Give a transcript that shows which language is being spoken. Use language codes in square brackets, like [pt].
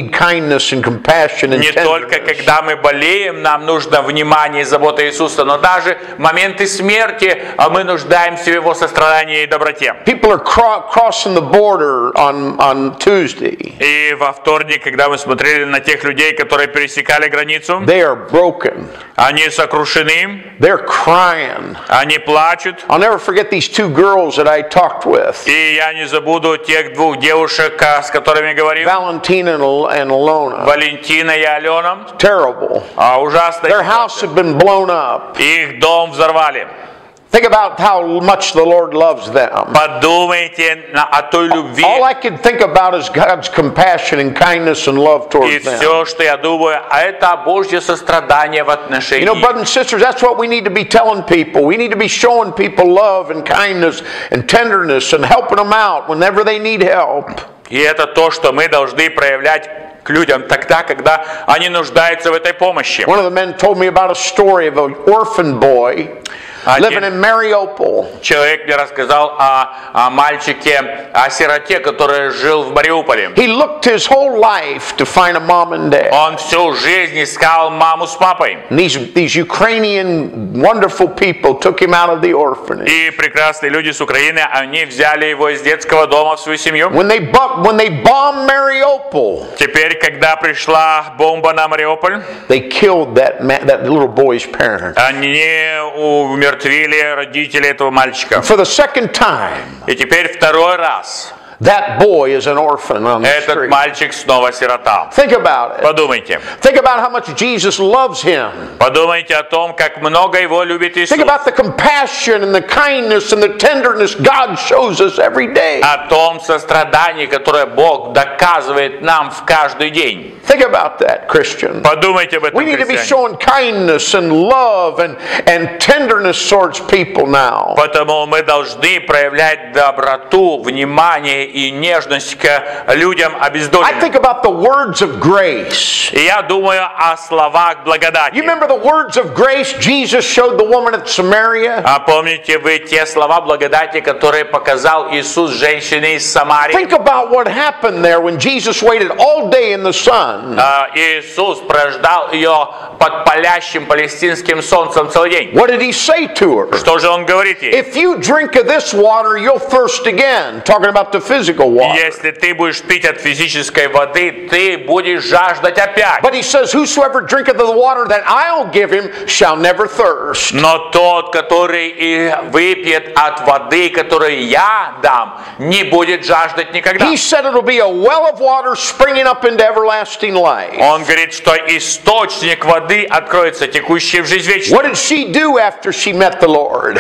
[en] need kindness and compassion and tenderness. [ru] Не только когда мы болеем, нам нужно внимание и забота Иисуса, но даже в моменты смерти мы нуждаемся в его сострадании и доброте. [en] People are crossing the border on Tuesday. [ru] И во вторник, когда мы смотрели на тех людей, которые пересекали границу, [en] they are broken. [ru] Они сокрушены. [en] They're crying. [ru] Они плачут. [en] I'll never forget these two girls that I talked with. [ru] И я не забуду тех двух девушек, с которыми говорил. [en] Valentina and Alona. [ru] Валентина и Алена. [en] Terrible. [ru] Ужасно. [en] Their house had been blown up. [ru] Их дом взорвали. [en] Think about how much the Lord loves them. [ru] Подумайте о той любви. [en] All I can think about is God's compassion and kindness and love towards them. [ru] И все, что я думаю, это Божье сострадание в отношении [en] их. You know, brothers and sisters, that's what we need to be telling people. We need to be showing people love and kindness and tenderness and helping them out whenever they need help. [ru] И это то, что мы должны проявлять к людям тогда, когда они нуждаются в этой помощи. [en] One of the men told me about a story of an orphan boy. Living in Mariupol. [ru] Человек мне рассказал о мальчике, о сироте, который жил в Мариуполе. [en] He looked his whole life to find a mom and dad. [ru] Он всю жизнь искал маму с папой. [en] These Ukrainian wonderful people took him out of the orphanage. [ru] И прекрасные люди с Украины, они взяли его из детского дома в свою семью. [en] When they bombed Mariupol. [ru] Теперь, когда пришла бомба на Мариуполь, [en] they killed that little boy's parents. [ru] Они умертвили родителей этого мальчика. [en] For the second time. [ru] И теперь второй раз. [en] That boy is an orphan on the [ru] Этот мальчик снова сирота. [en] Think about it. [ru] Подумайте. [en] Think about how much Jesus loves him. [ru] Подумайте о том, как много его любит Иисус. [en] Think about the compassion and the kindness and the tenderness God shows us every day. [ru] О том сострадании, которое Бог доказывает нам в каждый день. [en] Think about that, Christian. [ru] Подумайте об этом, христиане. [en] We need to be showing kindness and love and tenderness towards people now. [ru] Поэтому мы должны проявлять доброту, внимание и нежность к людям обездоленным. [en] I think about the words of grace. [ru] Я думаю о словах благодати. [en] You remember the words of grace Jesus showed the woman at Samaria? [ru] А помните вы те слова благодати, которые показал Иисус женщине из Самарии? [en] Think about what happened there when Jesus waited all day in the sun. [ru] Иисус прождал ее под палящим палестинским солнцем целый день. [en] What did he say to her? [ru] Что же он говорит ей? [en] If you drink of this water, you'll thirst again. Talking about the physical water. [ru] Если ты будешь пить от физической воды, ты будешь жаждать опять. [en] But he says, whosoever drinketh of the water that I'll give him shall never thirst. [ru] Но тот, который выпьет от воды, которую я дам, не будет жаждать никогда. [en] He said it'll be a well of water springing up into everlasting life. [ru] Он говорит, что источник воды откроется, текущий в жизнь вечную. [en] What did she do after she met the Lord?